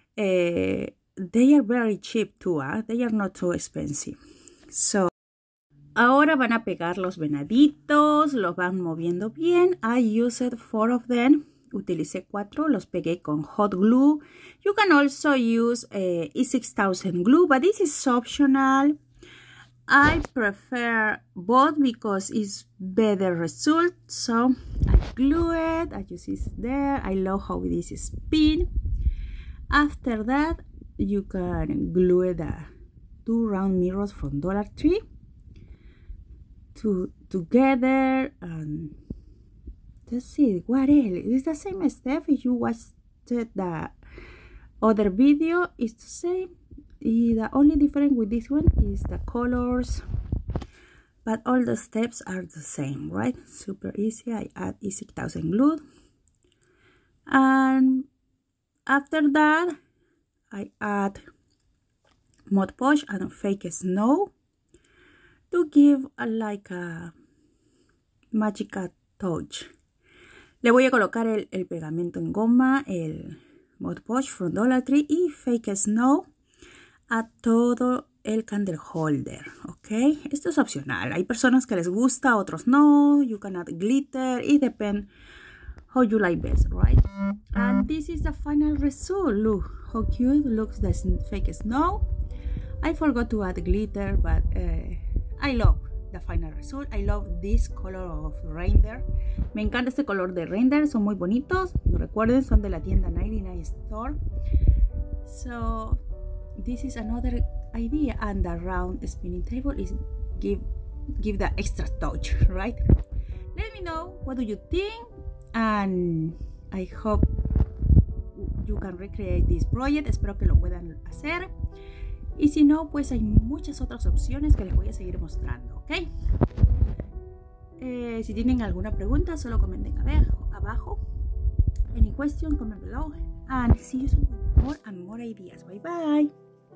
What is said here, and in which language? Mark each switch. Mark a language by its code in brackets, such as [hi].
[en] They are very cheap too, they are not too expensive. [es] So, ahora van a pegar los venaditos, los van moviendo bien. [en] I used 4 of them. [es] Utilicé 4, los pegué con hot glue. [en] You can also use E6000 glue, but this is optional. I prefer both because it's better result. So I glue it, I use it there. I love how this spin. After that, you can glue the 2 round mirrors from Dollar Tree together. And that's it. What else? It's the same step. If you watched the other video, it's the same. The only difference with this one is the colors, but all the steps are the same, right? Super easy. I add E6000 glue, and after that, I add Mod Podge and fake snow to give a magical touch. [es] Le voy a colocar el pegamento en goma, el Mod Podge from Dollar Tree y fake snow a todo el candle holder, ok. Esto es opcional. Hay personas que les gusta, otros no. [en] You can add glitter. It depends how you like best, right? And this is the final result. Look how cute looks the fake snow. I forgot to add glitter, but I love the final result. I love this color of render. [es] Me encanta este color de render. Son muy bonitos. Recuerden, son de la tienda 99 Store. [en] So this is another idea, and the round spinning table is give the extra touch, right? Let me know what do you think, and I hope you can recreate this project. [es] Espero que lo puedan hacer, y si no, pues hay muchas otras opciones que les voy a seguir mostrando, ¿ok? Si tienen alguna pregunta, solo comenten abajo. [en] Any question, comment below, and see you soon for more and more ideas. Bye bye.